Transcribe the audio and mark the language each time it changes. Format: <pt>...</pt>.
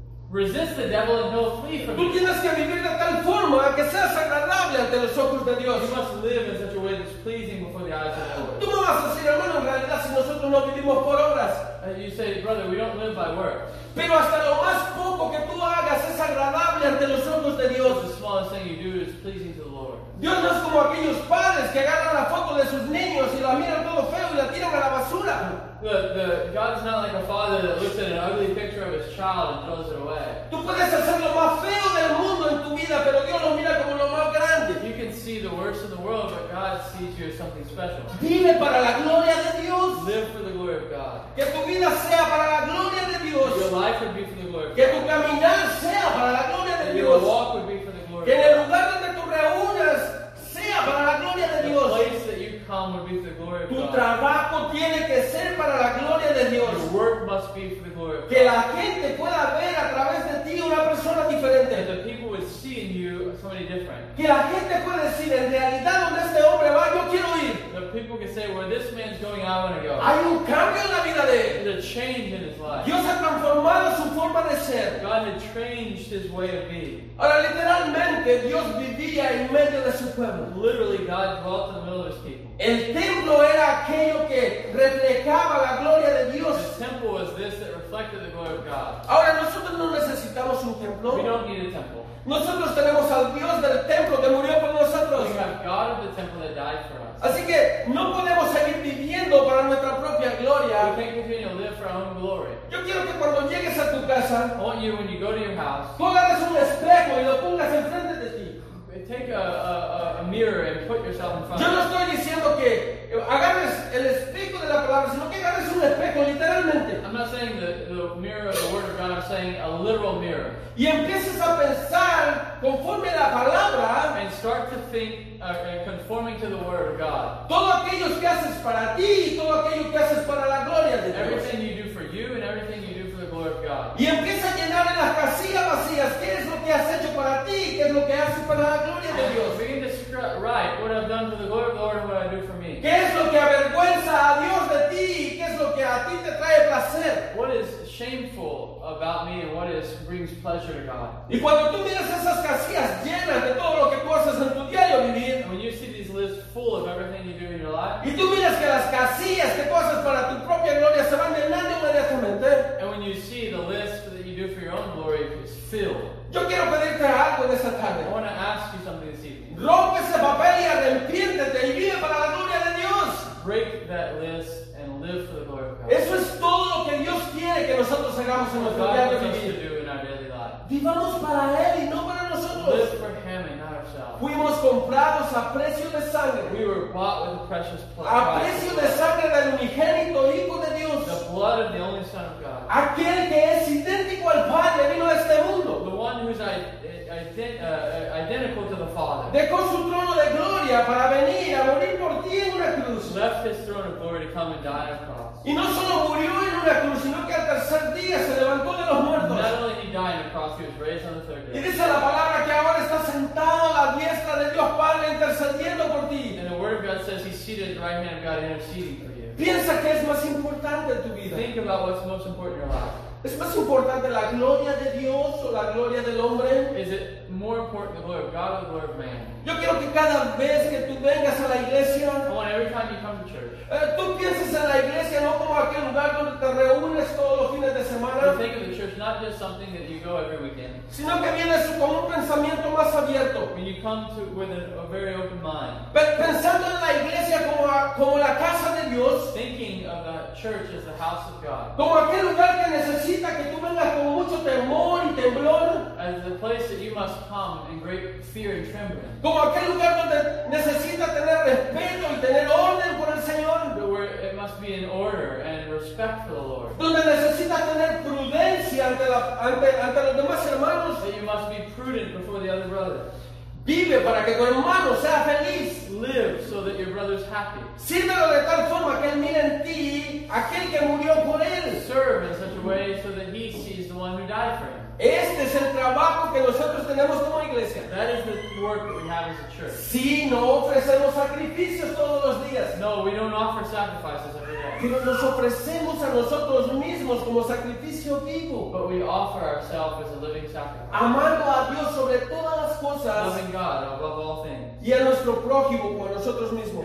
<en>Resist the devil and he'll flee from you.</en> <es>Tú tienes que vivir de tal forma que seas agradable ante los ojos de Dios.</es> <en>You must live in such a way that's pleasing before the eyes of the Lord.</en> <es>Tú no vas a decir, hermano, en realidad, si nosotros no vivimos por obras.</es> <en>You say, brother, we don't live by works.</en> <es>Pero hasta lo más poco que tú hagas es agradable ante los ojos de Dios.</es> <en>The smallest thing you do is pleasing to the Lord.</en> <es>Dios no es como aquellos padres que agarran la foto de sus niños y la miran todo feo y la tiran a la basura.</es> <en>The God's not like a father that looks at an ugly picture of his child and throws it away.</en> <es>Tú puedes hacer lo más feo del mundo en tu vida, pero Dios lo mira como lo más grande.</es> <en>You can see the worst of the world, but God sees you as something special.</en> <es>Vive para la gloria de Dios.</es> <en>Live for the glory of God.</en> <es>Que tu vida sea para la gloria de Dios.</es> <en>Your life would be for the glory of God.</en> <es>Que tu caminar sea para la gloria de Dios.</es> <en>Your walk would be for the glory of God.</en> <es>Que en el lugar donde tú reúnes sea para la gloria de Dios.</es> <en>The place that you come would be for the glory of God.</en> <es>Tu trabajo tiene que ser para la gloria de Dios.</es> <en>Your work must be for the glory of God.</en> <es>Que la gente pueda ver a través de ti una persona diferente.</es> <en>That the people would see in you somebody different.</en> <es>Que la gente pueda decir, en realidad, donde este hombre va, yo quiero ir.</es> <en>The people can say, say, where this man's going, I want to go.</en> <es>Hay un cambio en la vida de él.</es> <en>There's a change in his life.</en> <es>Dios ha transformado su forma de ser.</es> <en>God had changed his way of being.</en> <es>Ahora, literalmente, Dios vivía en medio de su pueblo.</es> <en>Literally, God dwelt in the middle of his people.</en> <es>El templo era aquello que reflejaba la gloria de Dios.</es> <en>The temple was this that reflected the glory of God.</en> <es>Ahora, nosotros no necesitamos un templo.</es> <en>We don't need a temple.</en> <es>Nosotros tenemos al Dios del templo que murió por nosotros.</es> <en>We have God of the temple that died for us.</en> <es>Así que no podemos seguir viviendo para nuestra propia gloria.</es> <en>We can't continue to live for our own glory.</en> <es>Yo quiero que cuando llegues a tu casa,</es> <en>I want you, when you go to your house,</en> <es>pongas un espejo y lo pongas enfrente de ti.</es> <en>Take a mirror and put yourself in front.</en> <es>Yo no estoy diciendo que agarres el espejo de la palabra, sino que agarres un espejo literalmente.</es> <en>I'm not saying the mirror of the word of God. I'm saying a literal mirror.</en> <es>Y empieces a pensar conforme la palabra.</es> <en>And start to think conforming to the word of God.</en> <es>Todo aquello que haces para ti, todo aquello que haces para la gloria de Dios.</es> <en>Everything you do for you and everything you do for the glory of God.</en> <es>Y empieza a llenar en las casillas vacías. ¿Qué es lo que has hecho para ti? ¿Qué es lo que haces para la gloria de Dios?</es> <en>Begin to write what I've done for the glory of the Lord and what I do for me.</en> <es>¿Qué es lo que avergüenza a Dios de ti? ¿Qué es lo que a ti te trae placer?</es> <en>What is shameful about me and what is brings pleasure to God?</en> <es>Y cuando tú miras esas casillas llenas de todo lo que tú haces en tu diario vivir,</es> <en>when you see these lists full of everything you do in your life,</en> <es>y tú miras que las casillas que tú haces para tu propia gloria se van llenando inmediatamente,</es> <en>and when you see the list that you do for your own glory is filled,</en> <es>yo quiero pedirte algo en esta tarde.</es> <en>I want to ask you something this evening.</en> <es>Rompe ese papel y arrepiéntete y vive para la gloria de Dios.</es> <en>Break that list and live for the glory of God.</en> <es>Eso es todo lo que Dios quiere que nosotros hagamos en nuestro diario vivir.</es> <en>To do in our daily life.</en> <es>Vivamos para Él y no para nosotros.</es> <en>Live for Him and not ourselves.</en> <es>Fuimos comprados a precio de sangre.</es> <en>We were bought with a precious price.</en> <es>A precio de sangre del unigénito Hijo de Dios.</es> <en>The blood of the only Son of God.</en> <es>Aquel que es idéntico al Padre vino a este mundo.</es> <en>The one who's identical to the Father.</en> <es>Dejó su trono de gloria para venir a morir por ti en una cruz.</es> <en>Left his throne of glory to come and die on a cross.</en> <es>Y no solo murió en una cruz, sino que al tercer día se levantó de los muertos.</es> <en>Not only did he die on a cross, he was raised on the third day.</en> <es>Y dice la palabra que ahora está sentado a la diestra de Dios Padre intercediendo por ti.</es> <en>And the word of God says he's seated at the right hand of God interceding for you.</en> <es>Piensa que es más importante tu vida.</es> <en>Think about what's most important in your life.</en> <es>¿Es más importante la gloria de Dios o la gloria del hombre?</es> <en>Is it more important the glory of God or the glory of man?</en> <es>Yo quiero que cada vez que tú vengas a la iglesia,</es> <en>every time you come to church,</en> <es>tú pienses en la iglesia no como aquel lugar donde te reúnes todos los fines de semana,</es> <en>you think of the church not just something that you go every weekend,</en> <es>sino que vienes con un pensamiento más abierto,</es> <en>when you come to with a very open mind, but</en> <es>pensando en la iglesia como la casa de Dios,</es> <en>thinking of the church as the house of God,</en> <es>como aquel lugar que necesita que tú vengas con mucho temor y temblor,</es> <en>as the place that you must come in great fear and trembling,</en> <es>como aquel lugar donde necesita tener respeto y tener orden por el Señor.</es> <en>Where it must be in order and respect for the Lord.</en> <es>Donde necesita tener prudencia ante los demás hermanos.</es> <en>That you must be prudent before the other brothers.</en> <es>Vive para que tu hermano sea feliz.</es> <en>Live so that your brother's happy.</en> <es>Sírvelo de tal forma que él mire en ti aquel que murió por él.</es> <en>Serve in such a way so that he sees the one who died for him.</en> <es>Este es el trabajo que nosotros tenemos como iglesia.</es> <en>That is the work that we have as a church.</en> <es>Sí, no ofrecemos sacrificios todos los días.</es> <en>No, we don't offer sacrifices every day.</en> <es>Pero nos ofrecemos a nosotros mismos como sacrificio vivo.</es> <en>But we offer ourselves as a living sacrifice.</en> <es>Amando a Dios sobre todas las cosas.</es> <en>Loving God above all things.</en> <es>Y a nuestro prójimo como a nosotros mismos.</es>